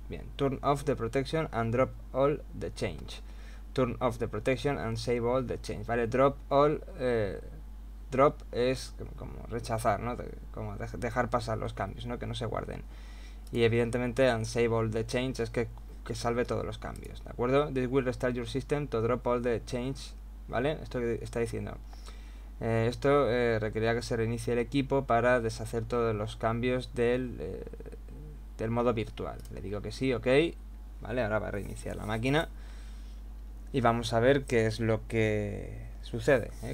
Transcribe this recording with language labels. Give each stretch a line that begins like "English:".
English: Bien, turn off the protection and drop all the change. Turn off the protection and save all the change. Vale, drop all.
Spanish: Drop es como rechazar, ¿no? Como dejar pasar los cambios, ¿no? Que no se guarden. Y evidentemente,
English: and save all the change
Spanish: es que salve todos los cambios, ¿de acuerdo?
English: This will restart your system to drop all the change.
Spanish: ¿Vale? Esto que está diciendo. Esto requerirá que se reinicie el equipo para deshacer todos los cambios del modo virtual. Le digo que sí, ok. Vale, ahora va a reiniciar la máquina. Y vamos a ver qué es lo que sucede, ¿eh?